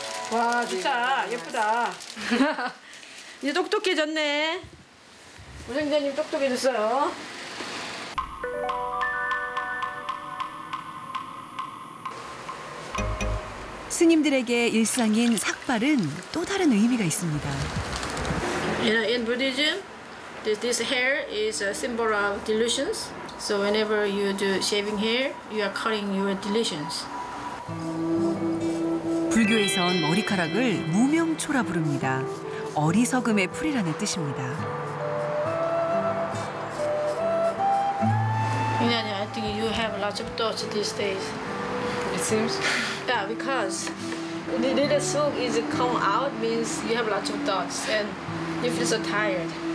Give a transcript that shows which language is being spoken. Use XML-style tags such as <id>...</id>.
<ko>와, 진짜 예쁘다. 이제 똑똑해졌네. 우생자님 똑똑해졌어요. 스님들에게 일상인 삭발은 또 다른 의미가 있습니다.</ko> <en>You know, in Buddhism, this hair is a symbol of delusions. So whenever you do shaving hair, you are cutting your delusions.</en> <ko>불교에선 머리카락을 무명초라 부릅니다. 어리석음의 풀이라는 뜻입니다.</ko> <en>You know, I think you have lots of thoughts these days. It seems. Yeah, because the little soup is come out means you have lots of thoughts and you feel so tired.</en>